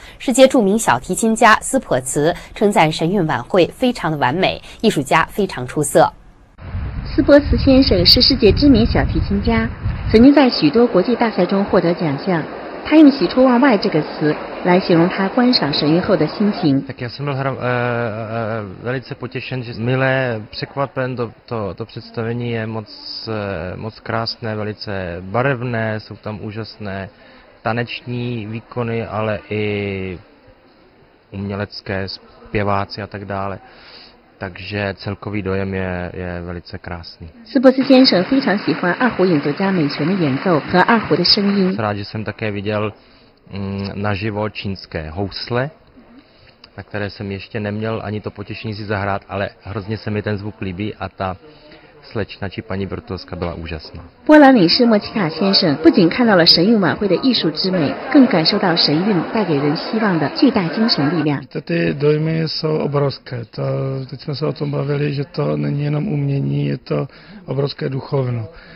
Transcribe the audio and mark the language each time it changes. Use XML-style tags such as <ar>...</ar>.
<zh>世界著名小提琴家斯普茨称赞神韵晚会非常的完美，艺术家非常出色。斯普茨先生是世界知名小提琴家，曾经在许多国际大赛中获得奖项。他用喜出望外这个词来形容他观赏神韵后的心情。</zh> <cs>Tak já jsem byl velice potěšen, že milé, překvapen, to představení je moc krásné, velice barevné, jsou tam úžasné taneční výkony, ale i umělecké zpěváci a tak dále. Takže celkový dojem je velice krásný.</cs> <zh>斯波斯先生非常喜欢二胡演奏家美泉的演奏和二胡的声音。</zh> <cs>Rád, že jsem také viděl naživo čínské housle, na které jsem ještě neměl ani to potěšení si zahrát, ale hrozně se mi ten zvuk líbí a ta slečna či paní Brutovská byla úžasná.</cs> <zh>波兰领事莫奇卡先生不仅看到了神韵晚会的艺术之美，更感受到神韵带给人希望的巨大精神力量。</zh> <cs>Ty dojmy jsou obrovské. Teď jsme se o tom bavili, že to není jenom umění, je to obrovské duchovno.</cs>